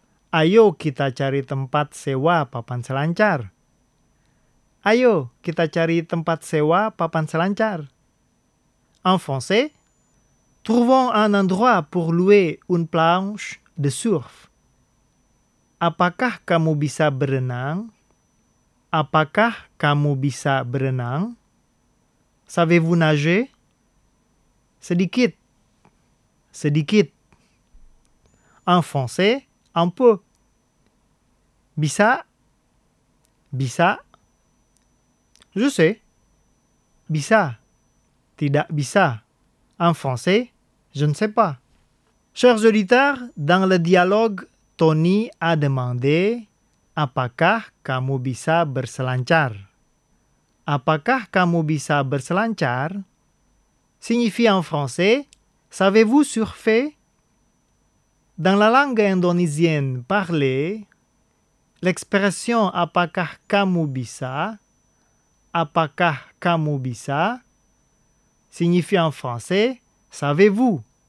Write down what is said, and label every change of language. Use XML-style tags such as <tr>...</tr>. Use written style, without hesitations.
<id>Ayo kita cari tempat sewa papan selancar. Ayo kita cari tempat sewa papan selancar.</id> <fr>En français, trouvons un endroit pour louer une planche de surf.</fr> <id>Apakah kamu bisa berenang? Apakah kamu bisa berenang?</id> <fr>Savez-vous nager?</fr> <id>Sedikit. Sedikit.</id> <fr>En français, un peu.</fr> <id>Bisa. Bisa.</id> <fr>Je sais.</fr> <id>Bisa. Tidak bisa.</id> <fr>En français, je ne sais pas. Chers auditeurs, dans le dialogue, Tony a demandé</fr> <id>Apakah kamu bisa berselancar? Apakah kamu bisa berselancar?</id> <fr>Signifie en français Savez-vous surfer? Dans la langue indonésienne parlée, l'expression</fr> <id>Apakah kamu bisa? Apakah kamu bisa?</id> <fr>Signifie en français Savez-vous?</fr>